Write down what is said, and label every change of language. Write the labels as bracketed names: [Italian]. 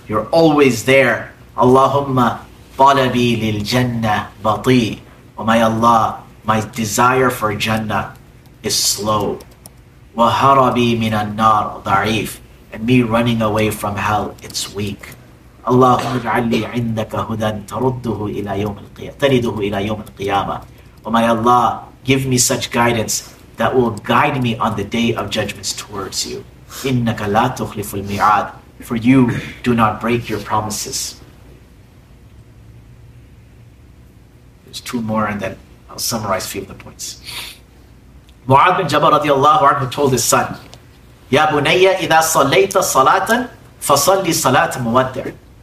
[English] You're always there. [Arabic] Allahumma talabi lil jannah bati. [English] Oh my Allah, my desire for Jannah is slow. [Arabic] وَهَرَبِي مِنَ النَّارِ ضَعِيفِ. [English] And me running away from hell, it's weak. [Arabic] اللهم اجعل لي عندك هدى ترده إلى يوم القيامة ترده إلى يوم القيامة. [English] Oh my Allah, give me such guidance that will guide me on the day of judgments towards you. [Arabic] إنك لا تخلف الميعاد. [English] For you do not break your promises. There's two more and then I'll summarize a few of the points. Mu'adh bin Jabal radiallahu anhu told his son, [Arabic] Ya bunayya idha sallayta salatan fasalli salatan muwaddi'.